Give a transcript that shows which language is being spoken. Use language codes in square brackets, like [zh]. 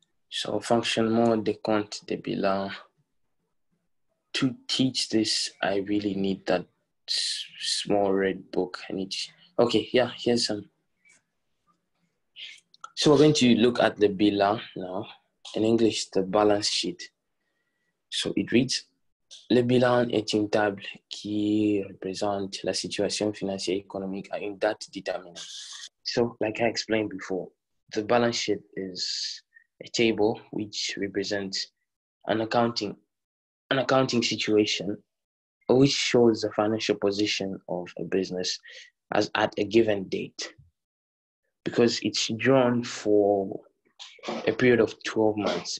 [en] So, fonctionnement des comptes de bilan. To teach this, I really need that small red book. I need to... Okay, yeah, here's some. So we're going to look at the bilan now. In English, the balance sheet. So it reads, [fr] le bilan est une table qui représente la situation financière économique à une date déterminée. [en] So like I explained before, the balance sheet is a table which represents an accounting situation which shows the financial position of a business as at a given date, because it's drawn for a period of 12 months.